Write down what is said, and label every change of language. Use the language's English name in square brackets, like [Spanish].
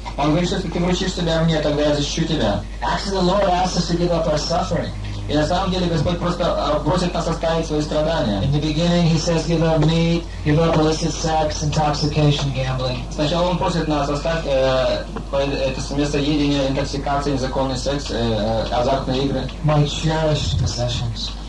[Russian] Он говорит, что если ты вручишь себя мне, тогда я защищу тебя. [English] Actually, the Lord asks us to give up our suffering. [Russian] И на самом деле Господь просто просит нас оставить свои страдания. [English] In the beginning he says, give up meat, give up illicit sex, intoxication, gambling. [Russian] Сначала он просит нас оставить это местоедение, интоксикация, незаконный секс, азартные игры. [English] My cherished possessions.